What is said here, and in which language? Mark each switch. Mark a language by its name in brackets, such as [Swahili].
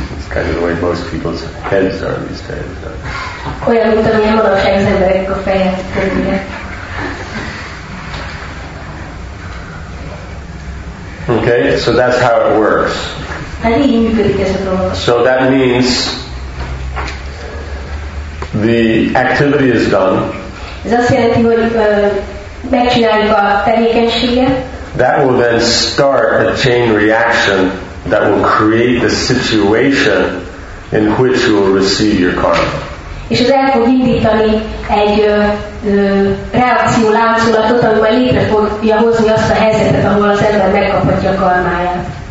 [English] Kind of the way most people's heads are these days. [Hungarian] Olyan, mint amilyen manapság az emberek a fejét törnie. [English] Okay, so that's how it works. [Hungarian] Hát így működik ez a dolog. [English] So that means the activity is done. [Hungarian] Ez azt jelenti, hogy megcsináljuk a tevékenységet. [English] That will then start a chain reaction that will create the situation in which you will receive your karma. [Hungarian] És ez el fog indítani egy reakció láncolatot, ami majd létre fogja hozni azt a helyzetet, ahol az ember megkaphatja a karmáját.